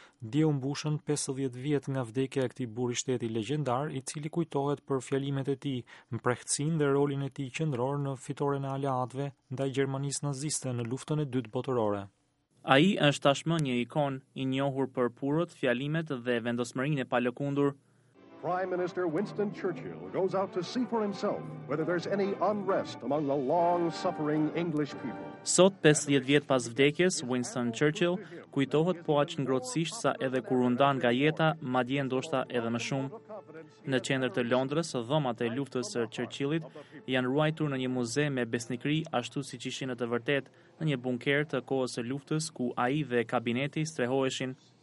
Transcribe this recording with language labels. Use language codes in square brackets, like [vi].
[sq] Dje u mbushën 50 vjet nga vdekja e këtij burri shteti legjendar, i cili kujtohet për fjalimet e tij, mprehtësinë dhe rolin e tij qendror në fitoren e aleatëve ndaj Gjermanisë naziste në luftën e dytë botërore. Ai është tashmë një ikon i njohur për purët, fjalimet dhe vendosmërinë e palëkundur. [en] Prime Minister Winston Churchill goes out to see for himself whether there's any unrest among the long-suffering English people. [sq] Sot 50 vjet pas vdekjes, Winston Churchill kujtohet po aq ngrohtësisht sa edhe kur u ndan nga jeta, madje ndoshta edhe më shumë. Në qendër të Londrës, dhomat e luftës së Churchillit janë ruajtur në një muze me besnikëri ashtu siç ishin në të vërtetë, në një bunker të kohës së luftës ku ai dhe kabineti strehoheshin.